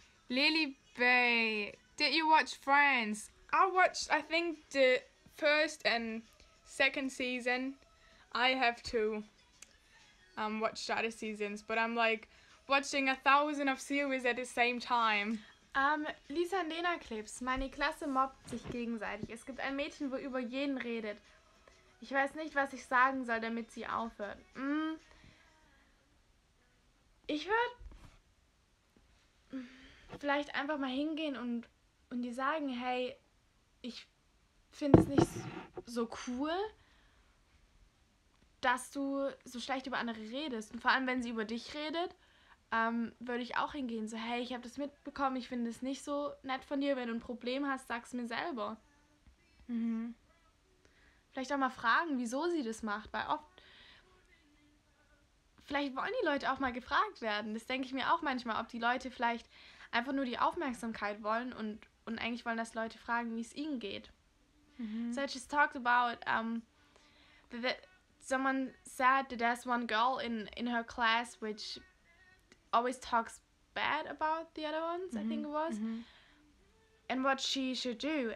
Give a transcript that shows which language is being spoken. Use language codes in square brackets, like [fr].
[en] Lily Bay, did you watch Friends? I watched, I think, the first and second season. I have to watch the other seasons, but I'm like watching a thousand of series at the same time. [de] Lisaandlena Clips, meine Klasse mobbt sich gegenseitig. Es gibt ein Mädchen, wo über jeden redet. Ich weiß nicht, was ich sagen soll, damit sie aufhört. Ich würde vielleicht einfach mal hingehen und die sagen, hey, ich finde es nicht so cool, dass du so schlecht über andere redest. Und vor allem, wenn sie über dich redet, würde ich auch hingehen. So, hey, ich habe das mitbekommen, ich finde es nicht so nett von dir. Wenn du ein Problem hast, sag's mir selber. Vielleicht auch mal fragen, wieso sie das macht, weil oft, vielleicht wollen die Leute auch mal gefragt werden. Das denke ich mir auch manchmal, ob die Leute vielleicht einfach nur die Aufmerksamkeit wollen und eigentlich wollen, dass Leute fragen, wie es ihnen geht. [en] So I just talked about that someone said that there's one girl in her class which always talks bad about the other ones, I think it was, and what she should do.